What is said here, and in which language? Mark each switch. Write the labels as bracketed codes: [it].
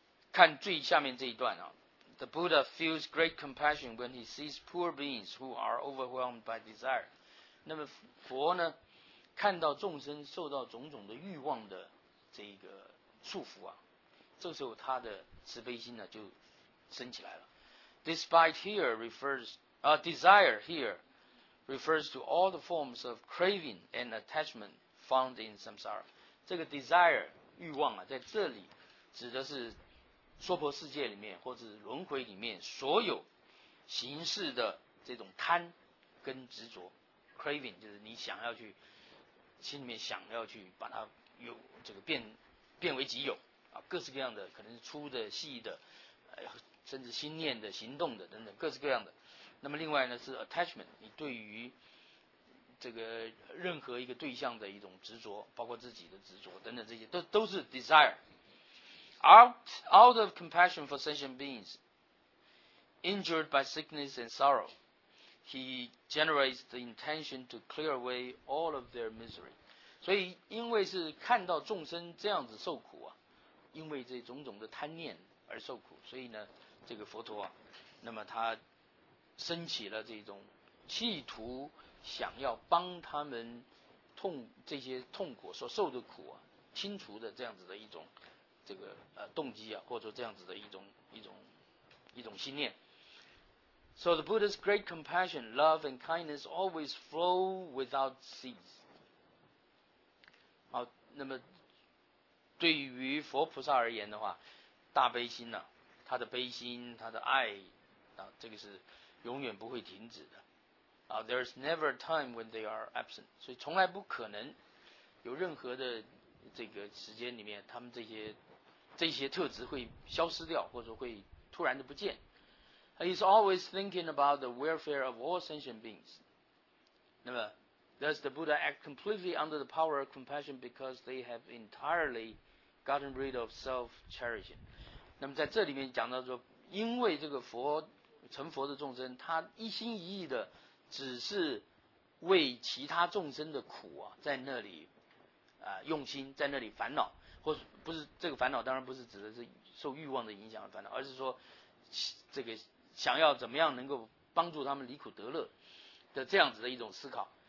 [zh] 看最下面这一段啊 [en] ，The Buddha feels great compassion when he sees poor beings who are overwhelmed by desire。 [zh] 那么佛呢，看到众生受到种种的欲望的这个束缚啊，这时候他的慈悲心呢就升起来了。 [en] Despite here refers desire here。 refers to all the forms of craving and attachment found in samsara. [zh] 这个 desire 欲望啊，在这里指的是娑婆世界里面或者轮回里面所有形式的这种贪跟执着 ，craving 就是你想要去心里面想要去把它有这个变为己有啊，各式各样的，可能是粗的、细的，甚至心念的、行动的等等，各式各样的。那么另外呢是 attachment， 你对于这个任何一个对象的一种执着，包括自己的执着等等，这些都是 desire。 [en] Out of compassion for sentient beings injured by sickness and sorrow, he generates the intention to clear away all of their misery。 [zh] 所以因为是看到众生这样子受苦啊，因为这种种的贪念而受苦，所以呢这个佛陀啊，那么他升起了这种企图，想要帮他们痛这些痛苦所受的苦啊清除的这样子的一种这个动机啊，或者说这样子的一种心念。 [en] So the Buddha's great compassion, love and kindness always flow without cease. [zh] 好，那么对于佛菩萨而言的话，大悲心呢、啊，他的悲心，他的爱啊，这个是永远不会停止的。 [en] 啊、there is never a time when they are absent. [zh] 所以从来不可能有任何的这个时间里面，他们这些特质会消失掉，或者说会突然的不见。 [en] He is always thinking about the welfare of all sentient beings. 那么 Thus the Buddha act completely under the power of compassion because they have entirely gotten rid of self-cherishing. [zh] 那么在这里面讲到说，因为这个佛成佛的众生，他一心一意的只是为其他众生的苦啊，在那里用心，在那里烦恼，或是不是这个烦恼，当然不是指的是受欲望的影响的烦恼，而是说这个想要怎么样能够帮助他们离苦得乐的这样子的一种思考。